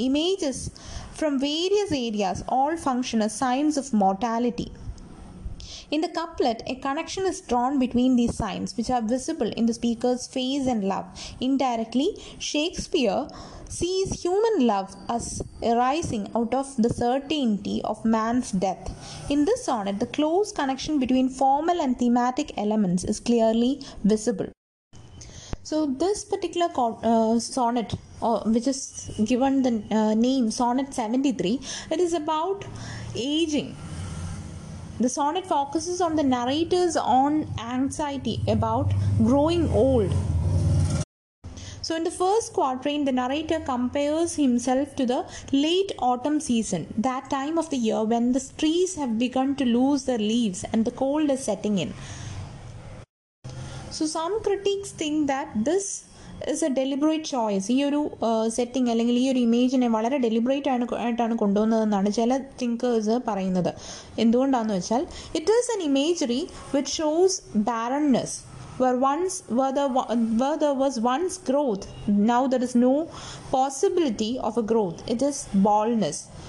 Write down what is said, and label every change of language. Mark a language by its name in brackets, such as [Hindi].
[English] Images from various areas all function as signs of mortality. In the couplet, a connection is drawn between these signs, which are visible in the speaker's face and love. Indirectly, Shakespeare sees human love as arising out of the certainty of man's death. In this sonnet, the close connection between formal and thematic elements is clearly visible. So this particular sonnet, which is given the name Sonnet 73, it is about aging. The sonnet focuses on the narrator's own anxiety about growing old. So in the first quatrain, the narrator compares himself to the late autumn season, that time of the year when the trees have begun to lose their leaves and the cold is setting in. So some critics think that this is a deliberate choice. [Malayalam] ഈ ഒരു setting അല്ലെങ്കിൽ ഈ ഒരു ഇമേജിനെ വളരെ deliberate ആയിട്ടാണ് കൊണ്ടുവന്നതെന്നാണ് ചില thinkers പറയുന്നത്. എന്തുകൊണ്ടാണെന്ന് വെച്ചാൽ, [English] It is an imagery which shows barrenness where the was once growth, now there is no possibility of a growth, it is baldness.